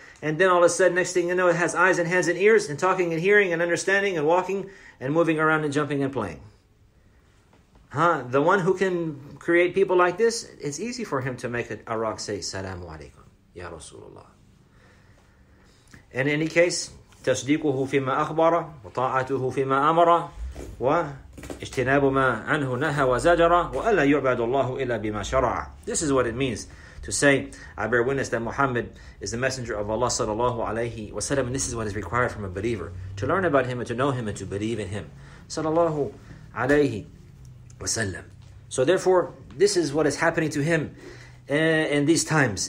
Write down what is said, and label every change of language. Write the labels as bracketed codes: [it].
[en] And then all of a sudden, next thing you know, it has eyes and hands and ears, and talking and hearing and understanding and walking and moving around and jumping and playing. Huh? The one who can create people like this, it's easy for him to make a rock say, Salaamu alaykum, Ya Rasulullah. In any case, [ar] تَصْدِيقُهُ فِي مَا أَخْبَرَ وَطَاعَتُهُ فِي مَا أَمَرَ وَاجْتِنَابُ مَا عَنْهُ نَهَى وَزَجَرَ وَأَلَّا يُعْبَدُ اللَّهُ إِلَّا بِمَا شَرَعَ. [en] This is what it means to say, I bear witness that Muhammad is the messenger of Allah sallallahu alayhi wa sallam, and this is what is required from a believer, to learn about him and to know him and to believe in him sallallahu alayhi wa sallam. So therefore, this is what is happening to him in these times.